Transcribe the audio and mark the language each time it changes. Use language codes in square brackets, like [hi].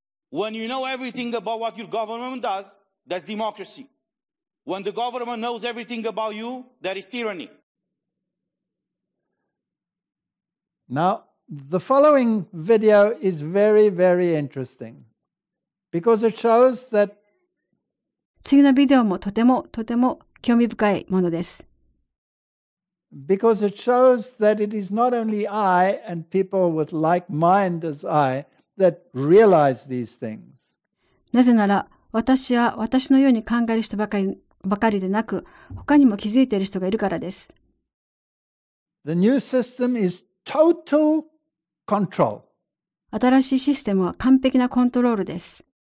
[en] When you know everything about what your government does, that's democracy. When the government knows everything about you, that is tyranny. Now, the following video is very, very interesting. Because it shows that [ja] 次のビデオもとてもとても興味深いものです。 [en] Because it shows that it is not only I and people with like mind as I that realize these things. [ja] なぜなら私は私のように考える人ばかりでなく他にも気づいている人がいるからです。 [en] The new system is total control. [ja] 新しいシステムは完璧なコントロールです。